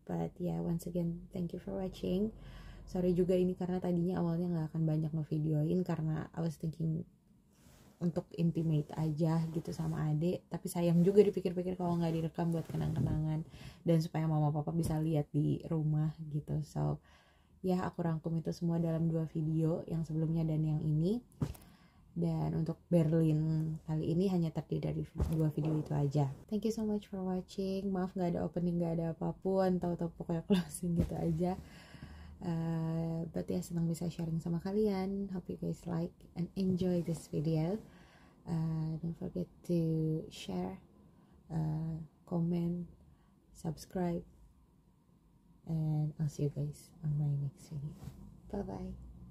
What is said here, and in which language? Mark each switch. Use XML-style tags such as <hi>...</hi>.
<en>But yeah, once again thank you for watching.</en> <id>Sorry juga ini karena tadinya awalnya gak akan banyak ngevideoin, karena</id> <en>I was thinking</en> <id>untuk intimate aja gitu sama adik, tapi sayang juga dipikir-pikir kalau gak direkam buat kenang-kenangan dan supaya mama papa bisa lihat di rumah gitu. So yeah, aku rangkum itu semua dalam dua video, yang sebelumnya dan yang ini. Dan untuk Berlin kali ini hanya terdiri dari dua video itu aja.</id> <en>Thank you so much for watching.</en> <id>Maaf gak ada opening, gak ada apapun. Tahu-tahu pokoknya closing gitu aja. But ya, senang bisa sharing sama kalian.</id> <en>Hope you guys like and enjoy this video. Don't forget to share, comment, subscribe. And I'll see you guys on my next video. Bye-bye.</en>